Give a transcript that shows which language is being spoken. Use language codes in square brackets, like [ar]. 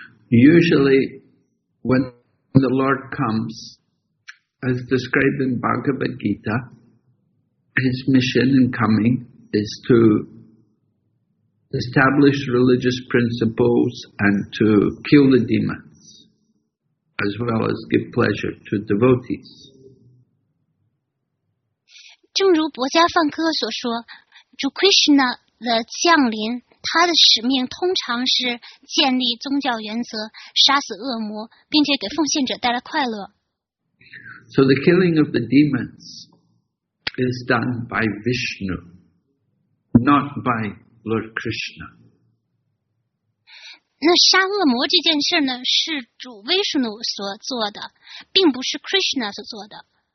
[en] Usually, when the Lord comes, as described in Bhagavad Gita, his mission in coming is to establish religious principles and to kill the demons, as well as give pleasure to devotees. [zh] 正如博迦梵科所说，主 Krishna 的降临，他的使命通常是建立宗教原则，杀死恶魔，并且给奉献者带来快乐。So [en] the killing of the demons is done by Vishnu, not by Lord Krishna. [zh] 那杀恶魔这件事呢，是主 Vishnu 所做的，并不是 Krishna 所做的。